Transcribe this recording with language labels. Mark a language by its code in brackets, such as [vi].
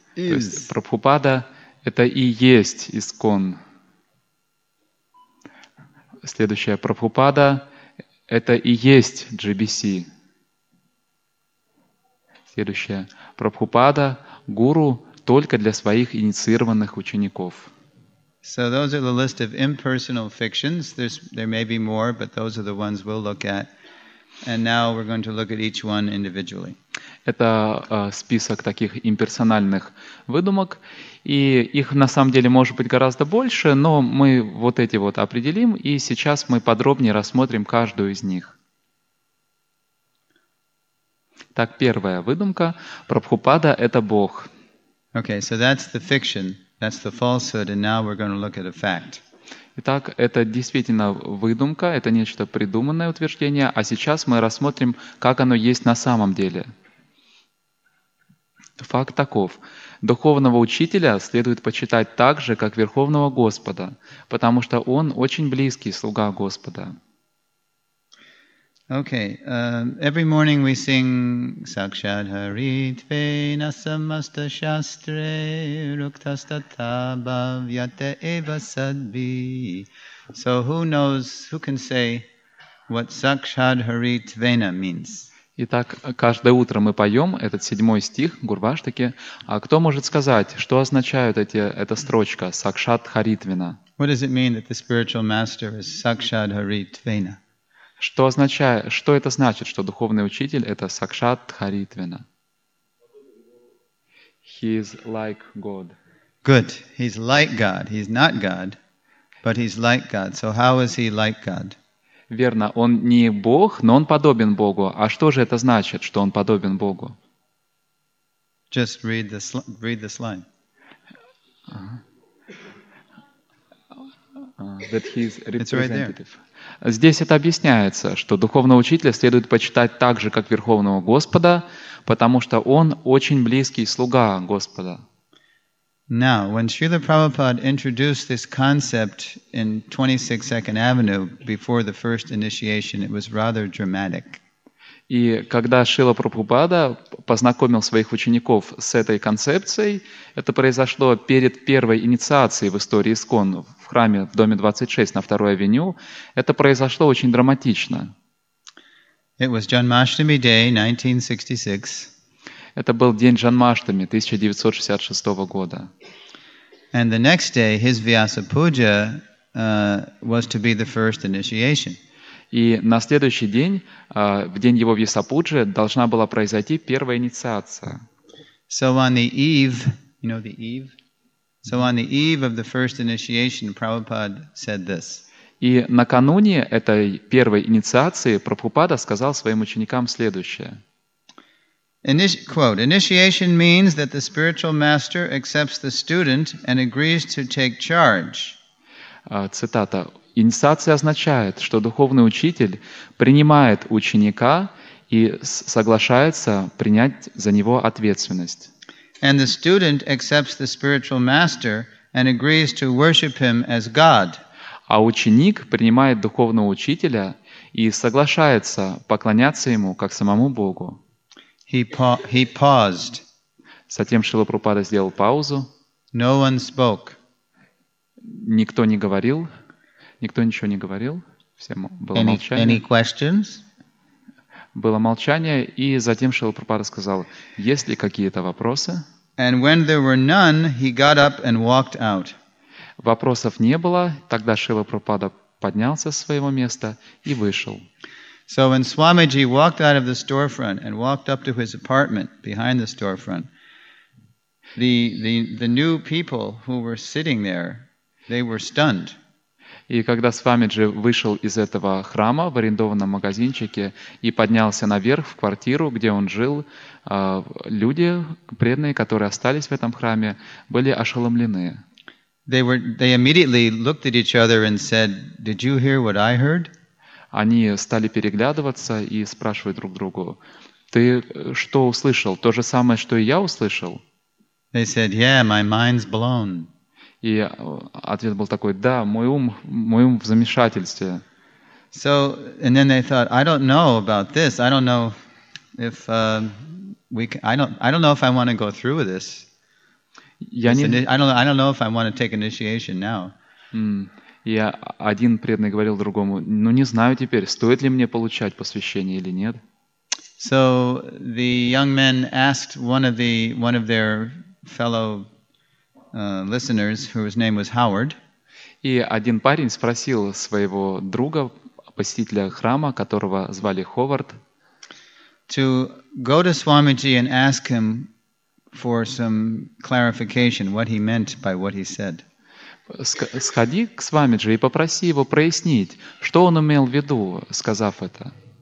[ru] То есть Прабхупада — это и есть ИСККОН. Следующее. Прабхупада — это и есть GBC. Следующее. Прабхупада — гуру только для своих инициированных учеников. [en] So those are the list of impersonal fictions. There may be more, but those are the ones we'll look at. And now we're going to look at each one individually. [ru] Это список таких имперсональных выдумок, и их на самом деле может быть гораздо больше, но мы вот эти вот определим, и сейчас мы подробнее рассмотрим каждую из них. Так, первая выдумка. Прабхупада — это Бог. [en] Okay, so that's the fiction. That's the falsehood, and now we're going to look at a fact. [ru] Итак, это действительно выдумка, это нечто придуманное утверждение, а сейчас мы рассмотрим, как оно есть на самом деле. Факт таков. Духовного учителя следует почитать так же, как Верховного Господа, потому что он очень близкий слуга Господа. [en] Okay. Every morning we sing [sa] Sakshad Hari Tve Nasamasta Shastre Ruktastata Bhavyate Eva Sadvi. [en] So who knows, who can say what Sakshad Hari Tvena means? [ru] Итак, каждое утро мы поем этот седьмой стих Гурваштаки. А кто может сказать, что означают эта строчка Сакшад Хари Твена? [en] What does it mean that the spiritual master is Sakshad Hari Tvena? [ru] Что это значит, что духовный учитель — это Сакшат Хари Твена? [en] He is like God. Good. He's like God. He's not God, but he's like God. So how is he like God? [ru] Верно. Он не Бог, но он подобен Богу. А что же это значит, что он подобен Богу? [en] Just read this line. That he is representative. It's right there. [ru] Здесь это объясняется, что духовного учителя следует почитать так же, как Верховного Господа, потому что он очень близкий слуга Господа. [en] Now, when Srila Prabhupada introduced this concept in 26 Second Avenue before the first initiation, it was rather dramatic. [ru] И когда Шрила Прабхупада познакомил своих учеников с этой концепцией, это произошло перед первой инициацией в истории ИСККОН в храме в доме 26 на 2-й авеню. Это произошло очень драматично. [en] It was Janmashtami Day, 1966. [ru] Это был день Джанмаштами 1966 года. [en] And the next day his Vyasa Puja was to be the first initiation. [ru] И на следующий день, в день его Вьясапуджи, должна была произойти первая инициация. [en] So on the eve, you know the eve? So on the eve of the first initiation, Prabhupada said this. [ru] И накануне этой первой инициации Прабхупада сказал своим ученикам следующее. [en] Quote, initiation means that the spiritual master accepts the student and agrees to take charge. [ru] Цитата. Инициация означает, что духовный учитель принимает ученика и соглашается принять за него ответственность. [en] And the student accepts the spiritual master and agrees to worship him as God. [ru] А ученик принимает духовного учителя и соглашается поклоняться ему как самому Богу. [en] He paused. [ru] Затем Шрила Прабхупада сделал паузу. [en] No one spoke. [ru] Никто не говорил. Никто ничего не говорил, всем было молчание. [en] Any questions? [ru] Было молчание, и затем Шрила Прабхупада сказал: «Есть ли какие-то вопросы?» [en] And when there were none, he got up and walked out. [ru] Вопросов не было, тогда Шрила Прабхупада поднялся с своего места и вышел. [en] So when Swamiji walked out of the storefront and walked up to his apartment behind the storefront, the new people who were sitting there, they were stunned. [ru] И когда Свамиджи вышел из этого храма в арендованном магазинчике и поднялся наверх в квартиру, где он жил, люди, преданные, которые остались в этом храме, были ошеломлены. [en] They immediately looked at each other and said, "Did you hear what I heard?" [ru] они стали переглядываться и спрашивать друг другу: «Ты что услышал? То же самое, что и я услышал?» [en] They said, yeah, my mind's blown. [ru] И ответ был такой: «Да, мой ум в замешательстве». [en] So, and then they thought, I don't know about this. I don't know if we. I don't know if I want to go through with this. I don't know if I want to take initiation now. [ru] И один преданный говорил другому: «Ну не знаю теперь, стоит ли мне получать посвящение или нет». [en] So the young men asked one of their fellow listeners, whose name was Howard. [ru] И один парень спросил своего друга, посетителя храма, которого звали Ховард, [en] to go to Swamiji and ask him for some clarification, what he meant by what he said. [ru] Сходи к Свамиджи и попроси его прояснить, что он имел в виду, сказав это.